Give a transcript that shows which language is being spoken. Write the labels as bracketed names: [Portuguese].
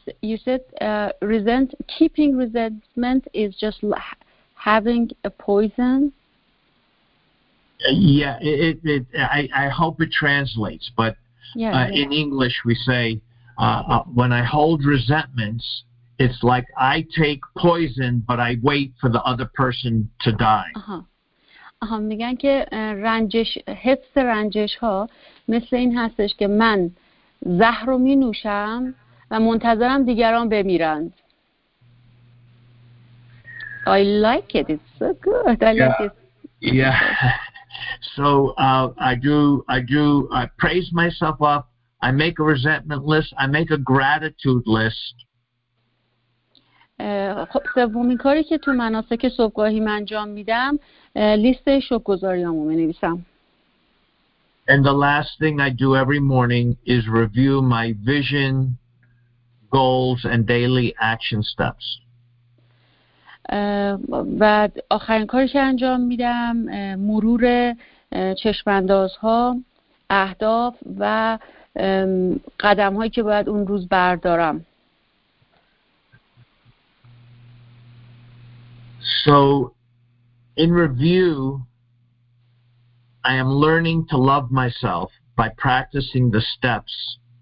[English] You said keeping resentment is just having a poison. Yeah, it I hope it translates, but yeah. In English we say when I hold resentments, it's like I take poison, but I wait for the other person to die. [Persian] میگن که رنجش حفظ رنجش ها مثل این هستش که من زهر رو می نوشم و منتظرم دیگران بمیرند. [English] I like it. It's so good. I like it. Yeah. So I praise myself up. I make a resentment list. I make a gratitude list. [Persian] خب سومین کاری که تو مناسک صبحگاهی من انجام میدم لیست شکرگزاریامو مینویسم. [English] And the last thing I do every morning is review my vision, goals and daily action steps. [Persian] و آخرین کاری که انجام میدم مرور چشم اندازها، اهداف و قدمهایی که باید اون روز بردارم. [English] So in review, I am learning to love myself by practicing the steps.